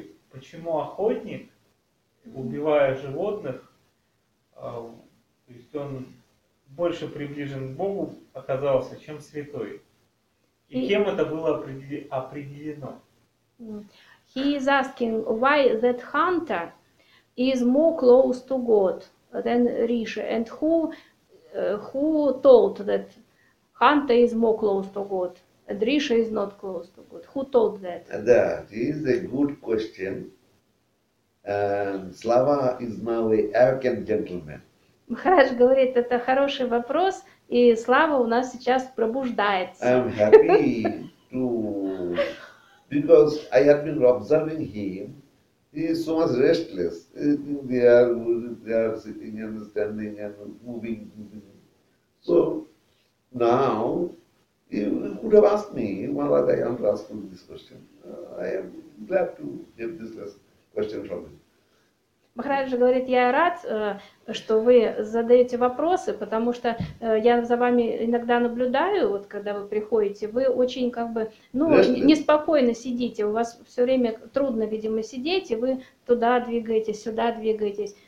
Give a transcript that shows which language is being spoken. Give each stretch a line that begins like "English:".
Russian: Почему охотник, убивая животных, то есть он больше приближен к Богу оказался, чем святой. И кем это было определено?
English: He is asking why that hunter is more close to God than Rishi, and who told that hunter is more close to God and Rishi is not close to God? Who told that? That is a good question. And Slava is now an arrogant gentleman.
Russian: Махарадж говорит, это хороший вопрос, и Слава у нас сейчас пробуждается.
English: I'm happy to, because I have been observing him. He is so much restless. They are sitting and standing and moving. So now you could have asked me, Maharaj, I am asking this question. I am glad to get this question from him.
Russian: Махараджа говорит, я рад, что вы задаете вопросы, потому что я за вами иногда наблюдаю, вот когда вы приходите, вы очень как бы, ну, неспокойно сидите, у вас все время трудно, видимо, сидеть, и вы туда двигаетесь, сюда двигаетесь.